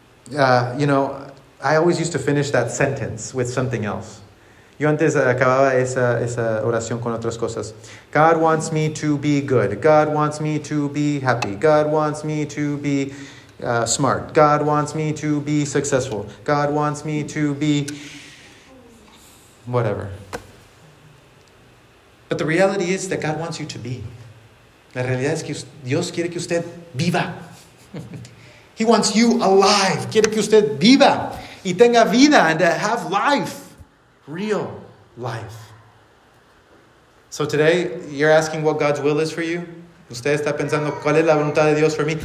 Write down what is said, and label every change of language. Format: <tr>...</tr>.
<en>You know, I always used to finish that sentence with something else.</en> <es>Yo antes acababa esa oración con otras cosas.</es> <en>God wants me to be good. God wants me to be happy. God wants me to be smart. God wants me to be successful. God wants me to be whatever. But the reality is that God wants you to be.</en> <es>La realidad es que Dios quiere que usted viva.</es> <en>He wants you alive.</en> <es>Quiere que usted viva y tenga vida</es> <en>and have life. Real life. So today, you're asking what God's will is for you.</en> <es>Usted está pensando, ¿cuál es la voluntad de Dios</es> <en>for me?</en>